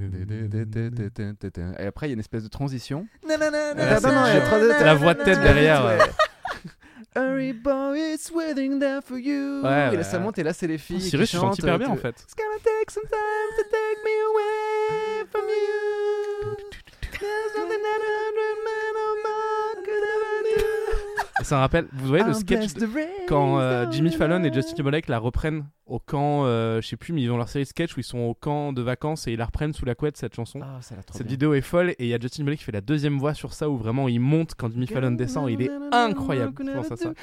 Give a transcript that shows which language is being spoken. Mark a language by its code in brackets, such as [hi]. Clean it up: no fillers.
[fr] Et après, il y a une espèce de transition. La voix de tête derrière. [en] Hurry boy, it's waiting there for you. [fr] Ouais, et là, ça monte, et là, c'est les filles Cyrus, qui chantent. Cyrus, je chante hyper bien, en fait. [en] It's gonna take some time to take me away from you. There's nothing that a hundred men or more could ever do. [fr] Ça me rappelle, vous voyez le sketch quand Jimmy Fallon et Justin Timberlake la reprennent au camp, je sais plus, mais ils ont leur série de sketch où ils sont au camp de vacances et ils la reprennent sous la couette, cette chanson. Oh, ça a l'air trop cette bien. Vidéo est folle et il y a Justin Timberlake qui fait la deuxième voix sur ça où vraiment il monte quand Jimmy Fallon descend. Il est incroyable. Je pense à ça.